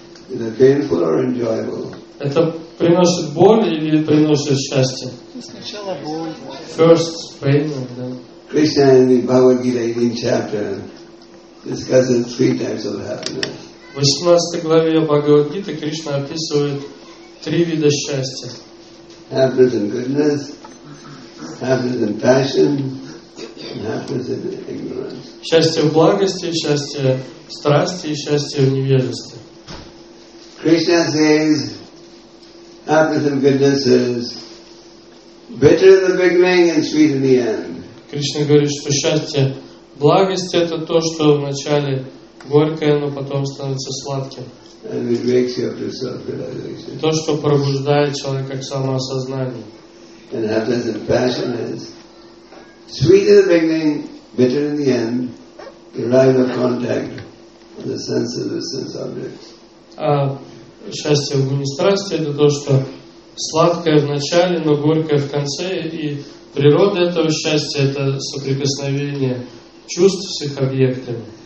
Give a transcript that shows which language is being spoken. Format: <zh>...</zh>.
<ru>Это приносит боль или приносит счастье? Сначала боль.</ru> <en>First pain, да. Krishna in the Bhagavad Gita 18 chapter discusses three types of happiness.</en> <ru>В 18 главе Бхагавад Гиты Кришна описывает три вида счастья.</ru> <en>Happiness in goodness, happiness in passion, and happiness in ignorance.</en> <ru>Счастье в благости, счастье в страсти и счастье в невежестве.</ru> <en>Krishna says happiness and goodness is bitter in the beginning and sweet in the end.</en> <ru>Кришна говорит, что счастье, благость это то, что вначале горькое, но потом становится сладким.</ru> <en>And it wakes you up to self-realization.</en> <ru>То, что пробуждает человека к самоосознанию.</ru> <en>And happiness and passion is sweet in the beginning, bitter in the end, deriving of contact with the senses of the sense objects.</en> <ru>Счастье в гуне страсти это то, что сладкое в начале, но горькое в конце, и природа этого счастья это соприкосновение чувств с их объектами.</ru>